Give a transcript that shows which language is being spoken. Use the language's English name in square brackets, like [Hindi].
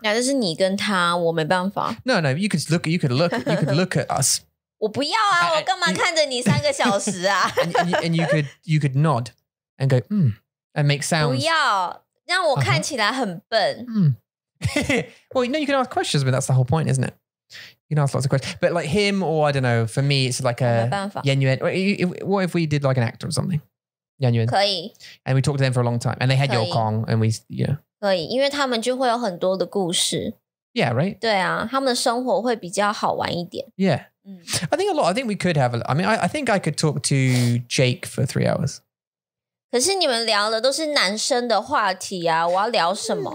[Chinese] 那就是你跟他,我没办法。 [English] No, you could look at us. [Chinese] 我不要啊,我干嘛看着你三个小时啊? [English] and you could nod and go, and make sounds. [Chinese] 不要,让我看起来很笨。 [English] Well, you know, you can ask questions, but that's the whole point, isn't it? You can ask lots of questions. But like him or, I don't know, for me, it's like a... [Chinese] 没办法。 [English] Yen Yuan. What if we did like an actor or something? Yen Yuan. [Chinese] 可以。 [English] And we talked to them for a long time. And they had Yo Kong and we... Yeah. [Chinese] 可以，因为他们就会有很多的故事。 [English] Yeah, right? [Chinese] 对啊，他们的生活会比较好玩一点。 Yeah. [English] I think a lot, I think we could have, a, I mean, I think I could talk to Jake for 3 hours. [Chinese] 可是你们聊的都是男生的话题啊，我要聊什么？